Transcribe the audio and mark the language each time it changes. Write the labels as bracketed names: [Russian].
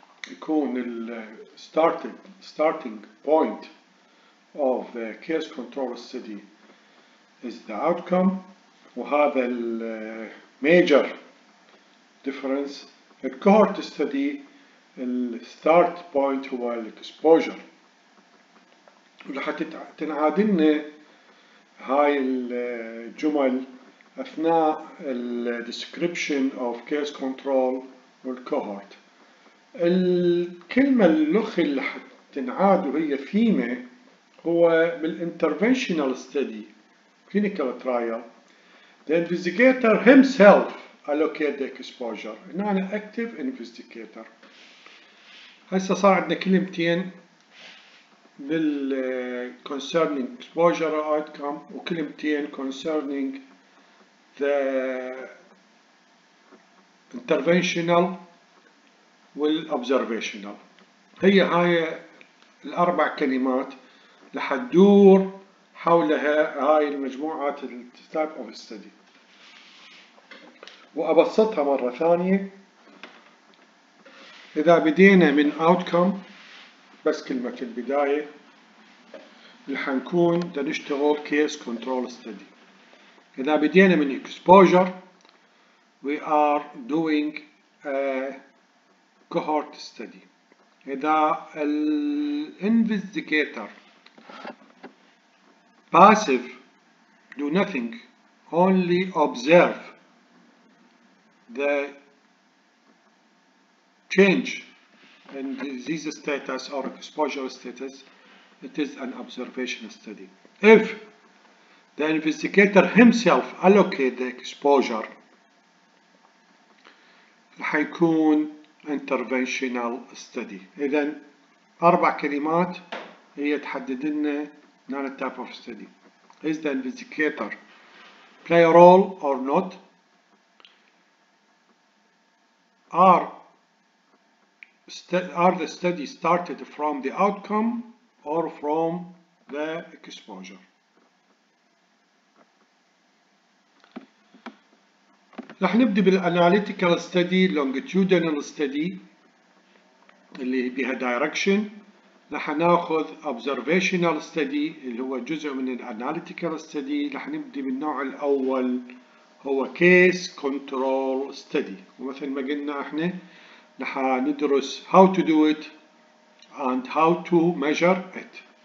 [English] يكون الـ starting point of the case control study is the outcome، وهذا الـ major difference. الـ cohort study الـ start point هو الـ exposure. [Arabic] ورح تنعاد لنا هاي الجمل أثناء الـ [English] description of case control [Arabic] والـ cohort. الكلمة اللخي اللي حتنعاد وهي فيما هو بالinterventional study clinical trial [English] the investigator himself allocate the exposure. [Arabic] هنا أنا active investigator. هسه صار عندنا كلمتين بال [English] concerning exposure or outcome [Arabic] وكلمتين [English] concerning the interventional [Arabic] والobservational. هي هاي الأربع كلمات رح تدور حولها هاي المجموعات type of study. وأبسطها مرة ثانية، إذا بدينا من outcome بس كلمة البداية رح نكون دا نشتغل case control study. إذا بدينا من [English] exposure we are doing a cohort study. إذا الinvestigator passive do nothing only observe the change in disease status or exposure status, it is an observation study. If the investigator himself allocate the exposure, حيكون interventional study. [Arabic] إذن أربع كلمات هي تحدد لنا نانا type of study. [English] Is the investigator play a role or not? Are the study started from the outcome or from the exposure? [Arabic] رح نبدأ [English] بالاناليتيكال study longitudinal study اللي بها دايركشن. [Arabic] رح ناخذ [English] observational study [Arabic] اللي هو جزء من الاناليتيكال ستدي. رح نبدأ بالنوع الاول هو كيس كنترول ستدي، ومثل ما قلنا احنا رح ندرس [English] How to do it and how to measure it.